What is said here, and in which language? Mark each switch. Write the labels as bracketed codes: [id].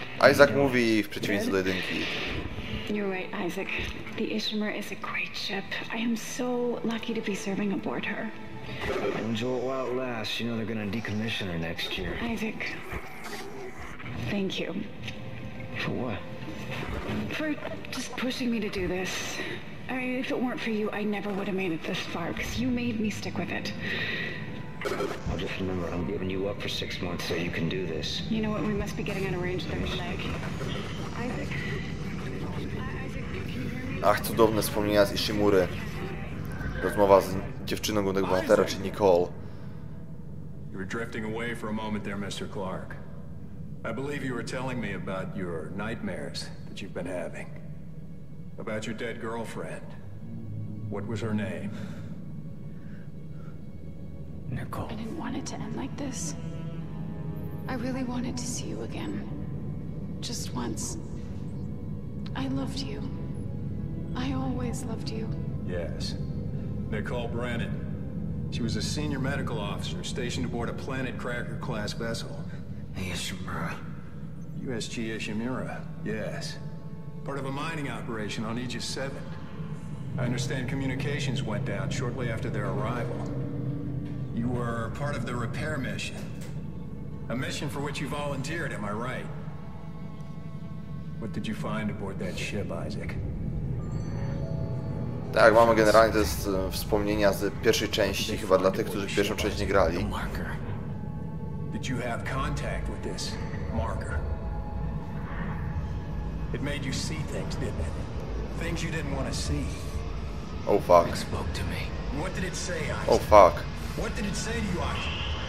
[pl] Isaac movie w przeciwieństwie do jedynki. [en] You're right, Isaac. The Ishimura is a great ship. I am so lucky to be serving aboard her. Enjoy it while it lasts. You know they're gonna decommission her next year. Isaac, thank you. For what? For just pushing me to do this. I, if it weren't for you, I never would have made it this far, because you made me stick with it. I'll just remember, I'm giving you up for 6 months so you can do this. You know what? We must be getting out of range there, Isaac. Isaac, can you hear me? [pl] Ach, cudowne wspomnienia z Ishimury. Rozmowa z dziewczyną głównego bohatera, czy Nicole. [en] You were drifting away for a moment there, Mr. Clark. I believe you were telling me about your nightmares that you've been having. About your dead girlfriend. What was her name? Nicole. I didn't want it to end like this. I really wanted to see you again. Just once. I loved you. I always loved you. Yes. Nicole Brennan. She was a senior medical officer stationed aboard a Planet Cracker-class vessel. Ishimura. USG Ishimura, yes. Part of a mining operation on Aegis 7. I understand communications went down shortly after their arrival. You were part of the repair mission. A mission for which you volunteered, am I right? What did you find aboard that ship, Isaac? [pl] Tak, mamy generalnie to jest wspomnienia z pierwszej części, chyba dla tych, którzy pierwszą część nie grali. [en] Did you have contact with this marker? It made you see things, didn't it? Things you didn't want to see. Oh fuck. It spoke to me. What did it say, Isaac? Oh fuck. What did it say to you, Isaac?